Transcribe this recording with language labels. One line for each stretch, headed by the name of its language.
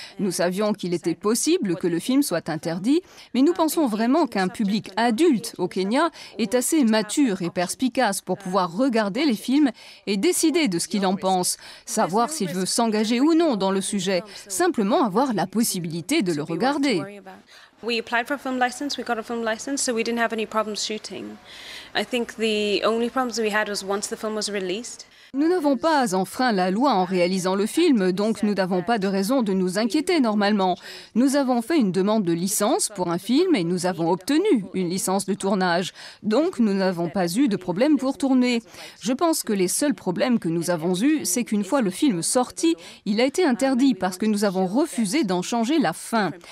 French: Nous savions qu'il était possible que le film soit interdit, mais nous pensons vraiment qu'un public adulte au Kenya est assez mature et perspicace pour pouvoir regarder les films et décider de ce qu'il en pense, savoir s'il veut s'engager ou non dans le sujet, simplement avoir la possibilité de le regarder.
English: We applied for a film license, we got a film license, so we didn't have any problems shooting. I think the only problems we had was once the film was released.
French: Nous n'avons pas enfreint la loi en réalisant le film, donc nous n'avons pas de raison de nous inquiéter normalement. Nous avons fait une demande de licence pour un film et nous avons obtenu une licence de tournage. Donc nous n'avons pas eu de problème pour tourner. Je pense que les seuls problèmes que nous avons eus, c'est qu'une fois le film sorti, il a été interdit parce que nous avons refusé d'en changer la fin.